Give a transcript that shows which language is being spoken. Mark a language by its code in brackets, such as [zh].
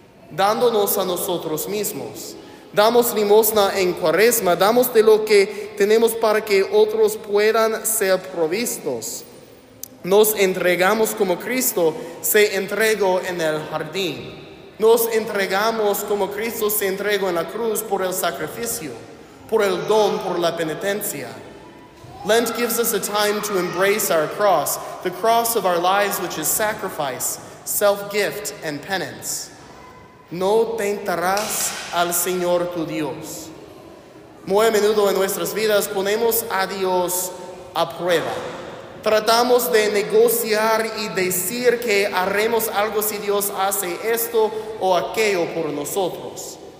[es] Dándonos a nosotros mismos, damos limosna en cuaresma, damos de lo que tenemos para que otros puedan ser provistos. Nos entregamos como Cristo se entregó en el jardín. Nos entregamos como Cristo se entregó en la cruz por el sacrificio, por el don, por la penitencia. [en] Lent gives us a time to embrace our cross, the cross of our lives, which is sacrifice, self-gift, and penance. [es] No tentarás al Señor tu Dios. Muy a menudo en nuestras vidas ponemos a Dios a prueba. Tratamos de negociar y decir que haremos algo si Dios hace esto o aquello por nosotros.